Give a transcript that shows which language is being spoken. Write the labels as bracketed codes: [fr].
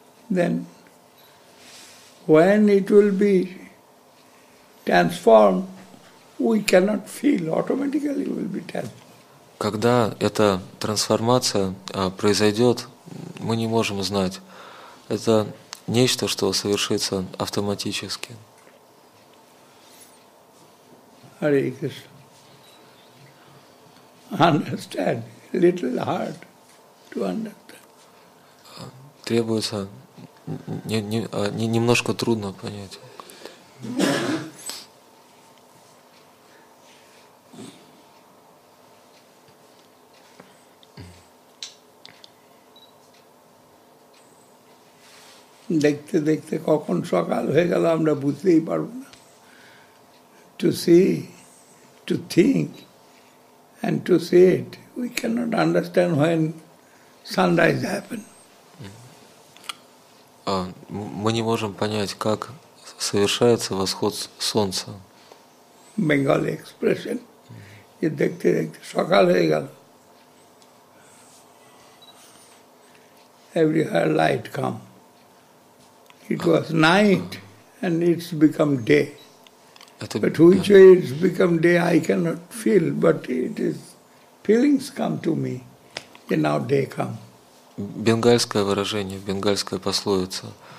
[en] Then, when it will be transformed, we cannot feel. Automatically it will be transformed. [ru] Когда эта трансформация произойдет, мы не можем знать. Это нечто, что совершится автоматически. [en] Hare Krishna. Understand, little hard to understand. [ru] Требуется немножко трудно понять. [bn] Dekhte dekhte kokhon sokal hoye gelo amra bujhtei parbo na. [en] To see, to think. And to see it, we cannot understand when sunrise happened. [ru] Мы не можем понять, как совершается восход солнца. [en] Bengali expression. You [bn] dekhte dekhte sokal hoye gelo. [en] Everywhere light come. It was night and it's become day. But which way it's become day, I cannot feel, but it is feelings come to me, and now day come. [ru] Бенгальское выражение, бенгальская пословица.